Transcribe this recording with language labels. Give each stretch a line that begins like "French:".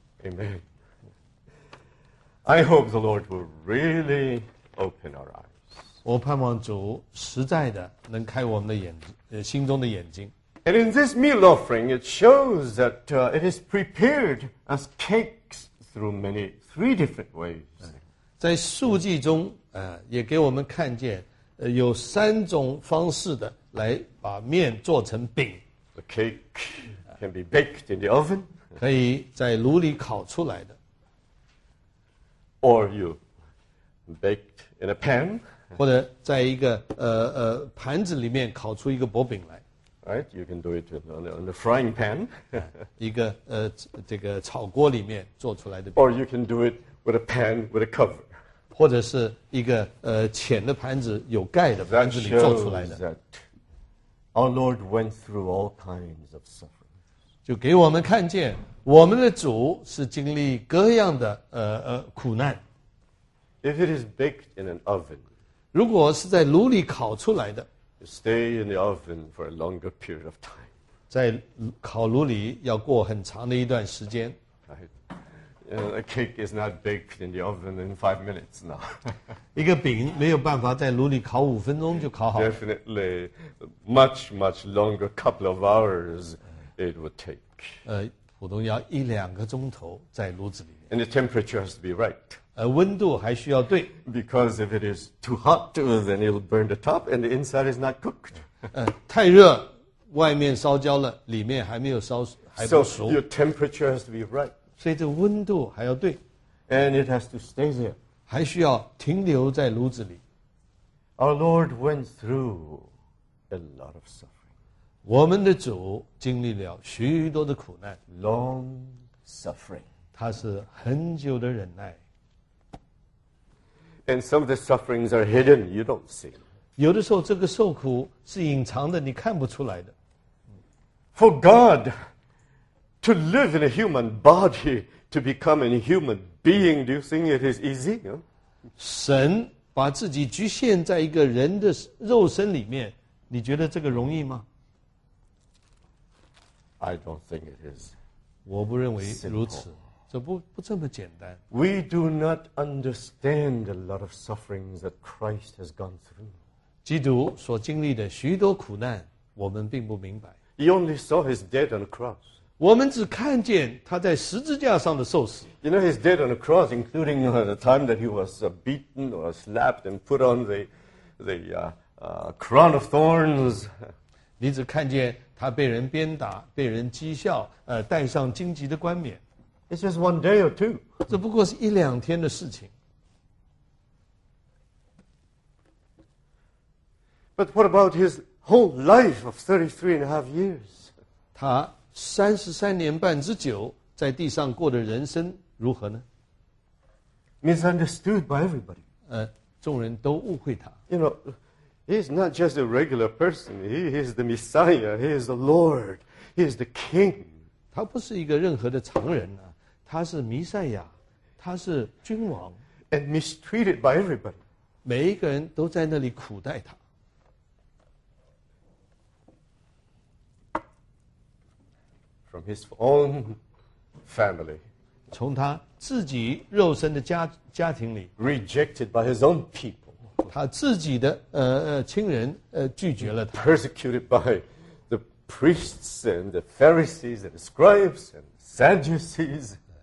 English: Amen. I hope the Lord will really open our eyes.
Chinese: 我盼望主实在的能开我们的眼心中的眼睛。
English: And in this meal offering, it shows that it is prepared as cakes through many three different ways.
Chinese: 在素祭中，也给我们看见有三种方式的来把面做成饼。
English: The cake can be baked in the oven.
Chinese: 可以在炉里烤出来的。
English: Or you baked in a pan.
Chinese: 或者在一个盘子里面烤出一个薄饼来
English: ，right? You can do it on the frying pan.
Chinese: 一个这个炒锅里面做出来的。
English: Or you can do it with a pan with a cover.
Chinese: 或者是一个浅的盘子有盖的盘子里做出来的。
English: That shows that our Lord went through all kinds of suffering.
Chinese: 就给我们看见我们的主是经历各样的苦难。
English: If it is baked in an oven.
Chinese: 如果是在炉里烤出来的
English: stay in the oven for a longer period of time.
Chinese: 在烤炉里要过很长的一段时间。
English: A cake is not baked in the oven in 5 minutes now.
Chinese: 一个饼没有办法在炉里烤五分钟就烤好。
English: Definitely, much, much longer, couple of hours it would take.
Chinese: 普通要一两个钟头在炉子里面。
English: And the temperature has to be right.
Chinese: 温度还需要对。
English: Because if it is too hot, then it'll burn the top and the inside is not cooked.
Chinese: 太热，外面烧焦了，里面还没有烧，还不熟。
English: So your temperature has to be right.
Chinese: 所以这温度还要对
English: ，and it has to stay there，
Chinese: 还需要停留在炉子里。
English: Our Lord went through a lot of suffering.
Chinese: 我们的主经历了许多的苦难
English: ，long suffering.
Chinese: 他是很久的忍耐。
English: And some of the sufferings are hidden; you don't see them.
Chinese: 有的时候，这个受苦是隐藏的，你看不出来的。
English: For God. To live in a human body, to become a human being, do you think it is easy?
Chinese: 神把自己局限在一个人的肉身里面，你觉得这个容易吗？
English: I don't think it is.
Chinese: 我不认为如此，这不这么简单。
English: We do not understand a lot of sufferings that Christ has gone through.
Chinese: 基督所经历的许多苦难，我们并不明白。
English: He only saw his death on the cross.
Chinese: 我们只看见他在十字架上的受死。
English: You know, he's dead on the cross, including the time that he was beaten or slapped and put on the crown of thorns.
Chinese: 你只看见他被人鞭打，被人讥笑，戴上荆棘的冠冕。
English: It's just one day or two.
Chinese: 这不过是一两天的事情。
English: But what about his whole life of 33 and a half years?
Chinese: 他33年半之久，在地上过的人生如何呢
English: ？Misunderstood by everybody.
Chinese: 众人都误会他。
English: You know, he's not just a regular person. He is the Messiah. He is the Lord. He is the King.
Chinese: 他不是一个任何的常人啊，他是弥赛亚，他是君王。
English: And mistreated by everybody.
Chinese: 每一个人都在那里苦待他。
English: From his own family,
Chinese: 从他自己肉身的家庭里
English: ，rejected by his own people,
Chinese: 他自己的亲人拒绝了他
English: ，persecuted by the priests and the Pharisees and the scribes and Sadducees,